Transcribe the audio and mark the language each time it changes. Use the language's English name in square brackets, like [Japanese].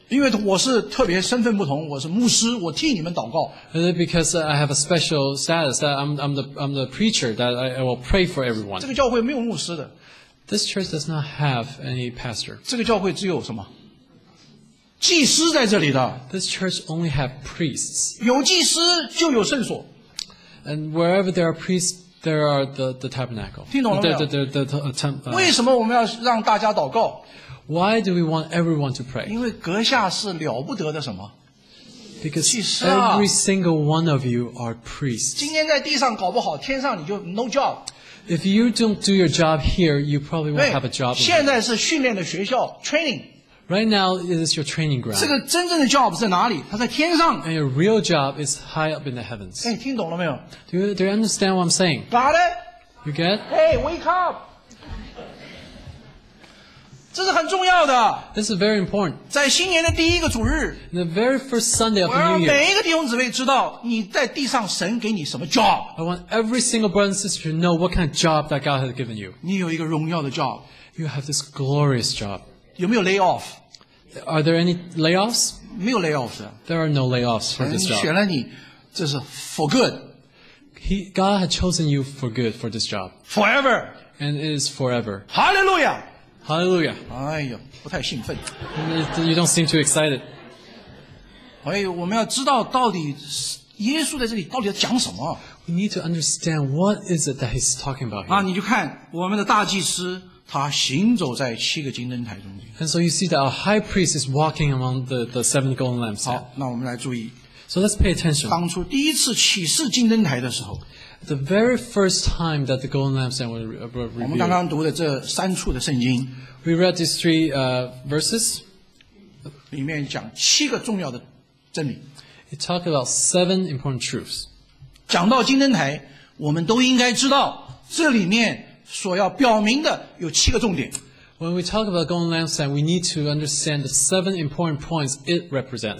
[Chinese] 因为我是特别身份不同，我是牧师，我替你们祷告。 [English] Is it because I have a special status that I'm the preacher that I will pray for everyone? [Chinese] 这个教会没有牧师的。 [English] This church does not have any pastor. [Chinese] 这个教会只有什么？祭司在这里的。 [English] This church only have priests. [Chinese] 有祭司就有圣所。 [English] And wherever there are priests, there are the tabernacle. [Chinese] 听懂了没有？ [English] The temple. [Chinese] 为什么我们要让大家祷告 [English] ？Why do we want everyone to pray? [Chinese] 因为阁下是了不得的什么？ [English] Because every single one of you are priests. [Chinese] 今天在地上搞不好，天上你就 [English] no job. If you don't do your job here, you probably won't have a job. [Chinese] 现在是训练的学校 [English] training. Right now, it is your training ground. [Chinese] 这个真正的 job 在哪里？它在天上。 [English] And your real job is high up in the heavens. [Chinese] 哎，听懂了没有 [English] ？Do you understand what I'm saying? Got it. You get? Hey, wake up. [Chinese] 这是很重要的。 [English] This is very important. [Chinese] 在新年的第一个主日 [English] ，the very first Sunday of the New Year， [Chinese] 我让每一个弟兄姊妹知道你在地上神给你什么 job。 [English] I want every single brother and sister to know what kind of job that God has given you。 [Chinese] 你有一个荣耀的 job。 [English] You have this glorious job。 [Chinese] 有没有 layoff？ [English] Are there any layoffs？ [Chinese] 没有 layoffs。 [English] There are no layoffs for this job。 [Chinese] 神选了你，这是 [English] for good。 God has chosen you for good for this job。 Forever。 And it is forever。 Hallelujah。 Hallelujah！ [Chinese] 哎呀，不太兴奋。 [English] You don't seem too excited。 [Chinese] 哎，我们要知道到底耶稣在这里到底要讲什么。 [English] We need to understand what is it that he's talking about here。 [Chinese] 啊，你就看我们的大祭司，他行走在七个金灯台中间。 [English] And so you see that our high priest is walking among the seven golden lamps。 [Chinese] 好，那我们来注意。 [English] So let's pay attention。 [Chinese] 当初第一次启示金灯台的时候。 [English] The very first time that the golden lampstand was revealed. [Chinese] 我们刚刚读的这三处的圣经。 [English] We read these three verses. [Chinese] 里面讲七个重要的真理。 [English] It talked about seven important truths. [Chinese] 讲到金灯台，我们都应该知道这里面所要表明的有七个重点。 [English] When we talk about golden lampstand, we need to understand the seven important points it represents.